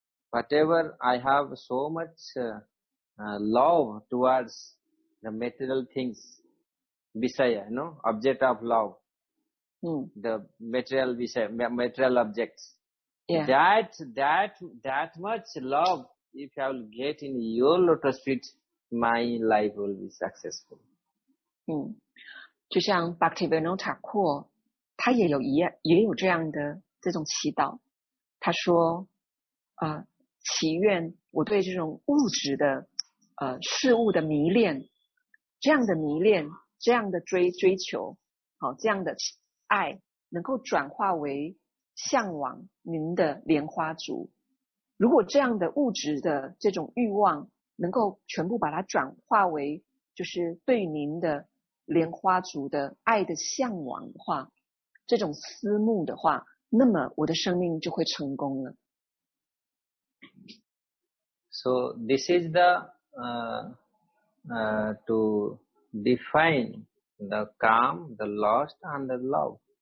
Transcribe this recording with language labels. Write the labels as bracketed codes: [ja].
[en] Whatever I have so much love towards the material things, Vishaya, you know, object of love, the material Vishaya, material objects. Yeah. That much love, if I will get in your lotus feet, my life will be successful. [zh] 就像 Bhaktivinoda Thakur, 他也有一样这样的这种祈祷。他说，祈愿我对这种物质的事物的迷恋，这样的迷恋，这样的追求，好，这样的爱，能够转化为向往您的莲花足。如果这样的物质的这种欲望， 能够全部把它转化为就是对您的莲花族的爱的向往的话，这种思慕的话，那么我的生命就会成功了。 [en] So this is the to define the calm, the lost, and the love.